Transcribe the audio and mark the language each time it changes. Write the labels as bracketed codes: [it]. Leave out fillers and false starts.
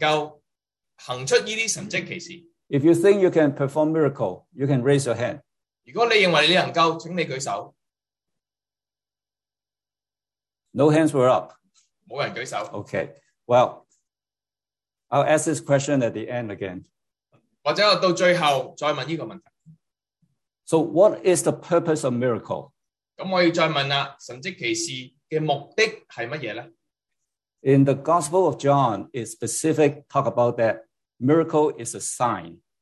[zh] 今天我要问你能不能够行出这些神迹奇事? [en] If you think you can perform miracle, you can raise your hand. [zh] 如果你认为你能够, 请你举手. [en] No hands were up. [zh] 没人举手. [en] Okay, well, I'll ask this question at the end again. [zh] 或者我到最后再问这个问题. [en] So what is the purpose of miracle? [zh] 那我要再问了, 神迹奇事. 的目的是什么呢? [en] In the Gospel of John, it specifically talks about that miracle is a sign.